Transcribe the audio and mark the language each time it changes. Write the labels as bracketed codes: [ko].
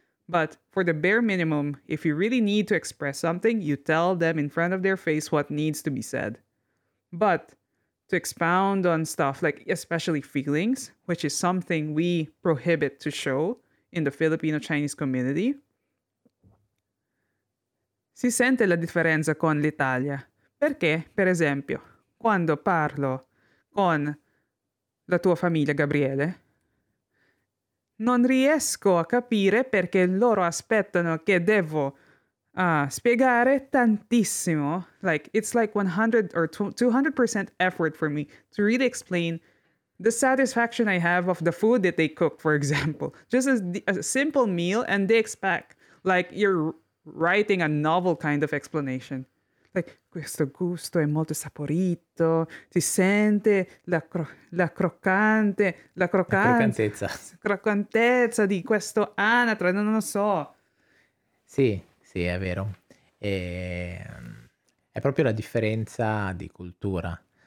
[en] But for the bare minimum, if you really need to express something, you tell them in front of their face what needs to be said. But to expound on stuff like especially feelings, which is something we prohibit to show in the Filipino Chinese community. [it] Si sente la differenza con l'Italia. Perché, per esempio, quando parlo con la tua famiglia, Gabriele, non riesco a capire perché loro aspettano che devo spiegare tantissimo. [en] Like, it's like 100 or 200% effort for me to really explain the satisfaction I have of the food that they cook, for example. Just a simple meal and they expect, like, you're writing a novel kind of explanation. [it] like questo gusto è molto saporito, si sente la croccantezza di questo anatra, non lo so. Sì, sì, è vero. È proprio la differenza di cultura.